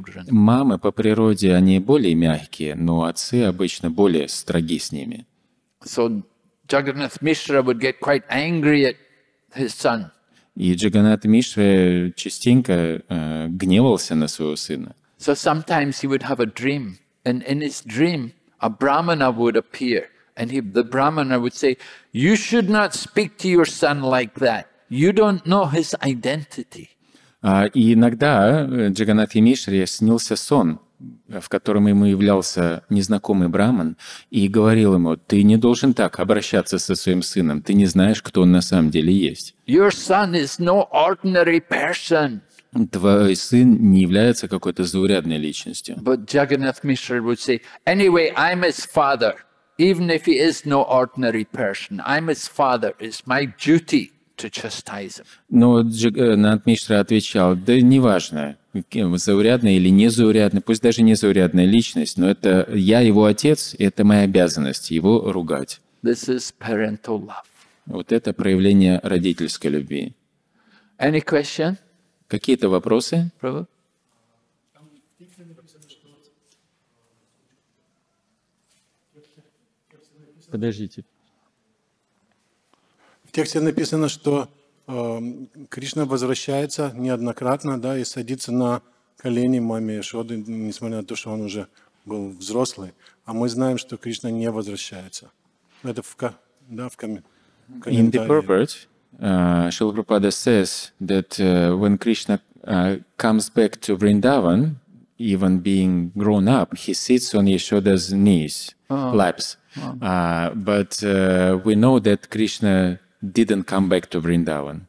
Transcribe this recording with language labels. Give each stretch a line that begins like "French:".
Russian: Мамы по природе, они более мягкие, но отцы обычно более строги с ними.
English: So Jagannath Mishra would get quite angry at his son.
Russian: И Джаганнат Мишра частенько гневался на своего сына.
English: So sometimes he would have a dream, and in his dream a brahmana would appear, and the brahmana would say, "You should not speak to your son like that. You don't know his identity."
Russian: И иногда Джаганнате Мишре снился сон, в котором ему являлся незнакомый браман и говорил ему, ты не должен так обращаться со своим сыном, ты не знаешь, кто он на самом деле есть.
English: Your son is no ordinary person.
Russian: Твой сын не является какой-то заурядной личностью.
English: But Jagannath Mishra would say, anyway, I'm his father, even if he is no ordinary person, I'm his father, it's my duty.
Russian: Но Джаганнат Мишра отвечал, да неважно, заурядная или незаурядная, пусть даже незаурядная личность, но это я его отец, это моя обязанность его ругать.
English: This is parental love.
Russian: Вот это проявление родительской любви.
English: Any question?
Russian: Какие-то вопросы?
English: Prabhu?
Russian: Подождите. В тексте написано, что Кришна возвращается неоднократно, да, и садится на колени маме Яшоды, несмотря на то, что он уже был взрослый. А мы знаем, что Кришна не возвращается. Это в комментарии.
English: In the purport, Srila Prabhupada says that when Krishna comes back to Vrindavan, even being grown up, he sits on Yashoda's knees, laps. But we know that Krishna didn't come back to Vrindavan.